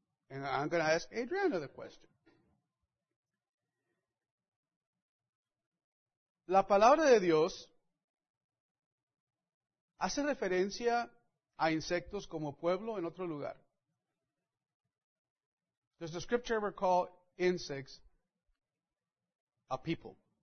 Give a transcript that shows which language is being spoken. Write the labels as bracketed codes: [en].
[en] And I'm going to ask Adriana the question. [es] La palabra de Dios hace referencia a insectos como pueblo en otro lugar. [en] Does the scripture ever call insects a people?